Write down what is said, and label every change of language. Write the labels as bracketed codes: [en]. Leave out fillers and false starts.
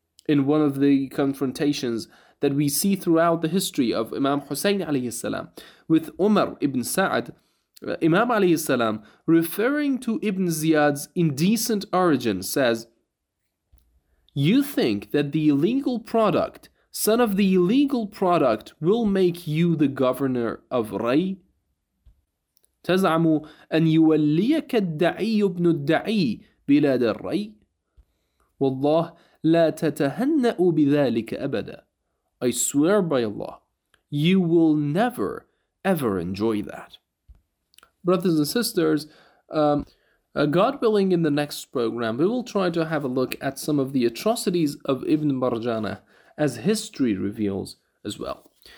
[en] In one of the confrontations that we see throughout the history of Imam Hussein alayhi salam with Umar ibn Sa'd, Imam alayhi salam, referring to Ibn Ziyad's indecent origin, says, "You think that the illegal product, son of the illegal product, will make you the governor of Ray? [ar] تزعم أن يوليك الدعي ابن الدعي بلاد الري؟ والله لا تتهنأ بذلك أبدا. [en] I swear by Allah, you will never, ever enjoy that." Brothers and sisters, God willing, in the next program, we will try to have a look at some of the atrocities of Ibn Marjan as history reveals as well.